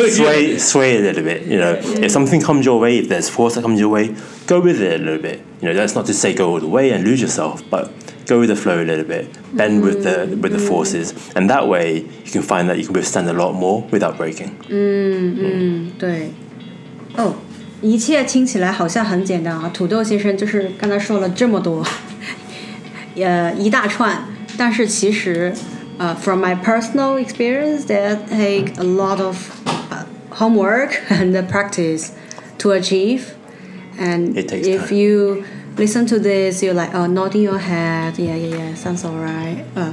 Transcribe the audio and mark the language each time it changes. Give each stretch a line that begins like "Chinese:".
English: Sway a little bit. You know, if something comes your way, if there's force that comes your way, go with it a little bit. You know, that's not to say go all the way and lose yourself, but go with the flow a little bit. Bend with the forces, and that way you can find that you can withstand a lot more without breaking. 对.Oh.
Chinese: 一切听起来好像很简单啊，土豆先生就是刚才说了这么多，一大串。但是其实，
English: from my personal experience, that take a lot of homework and practice to achieve. And if you listen to this, you're like, oh, nodding your head, yeah, sounds alright.